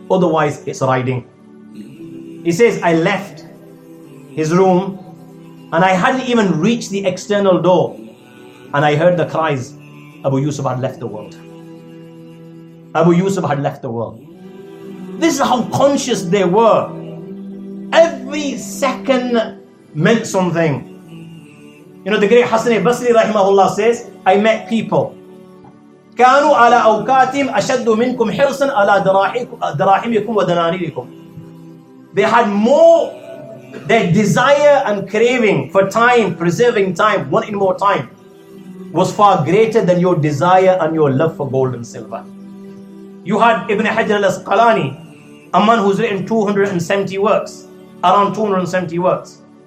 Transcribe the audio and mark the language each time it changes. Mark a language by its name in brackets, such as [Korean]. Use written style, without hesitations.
[English] Otherwise, it's riding. He says, I left his room and I hadn't even reached the external door and I heard the cries. Abu Yusuf had left the world. Abu Yusuf had left the world. This is how conscious they were. Every second meant something. You know, the great Hassan al-Basri rahimahullah says, I met people. [Arabic] كانوا على أوقاتهم أشد منكم حرصا على دراهمكم ودنانيركم. [English] They had more their desire and craving for time, preserving time, wanting more time, was far greater than your desire and your love for gold and silver. You had Ibn Hajar al-Asqalani, a man who's written 270 works, around 270 works.